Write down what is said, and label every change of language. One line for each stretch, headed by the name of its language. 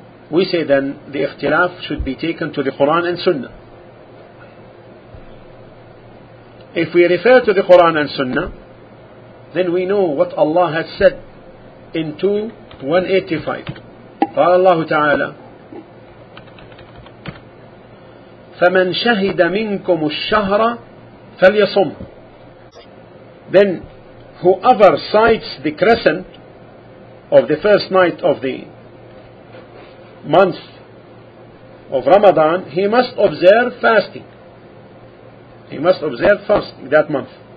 English: we say then the ikhtilaf should be taken to the Quran and Sunnah. If we refer to the Quran and Sunnah, then we know what Allah has said in 2:185.
Arabic: قال الله تعالى فمن شهد منكم الشهر فليصم.
English: Then whoever sights the crescent of the first night of the month of Ramadan, he must observe fasting. He must observe fasting that month.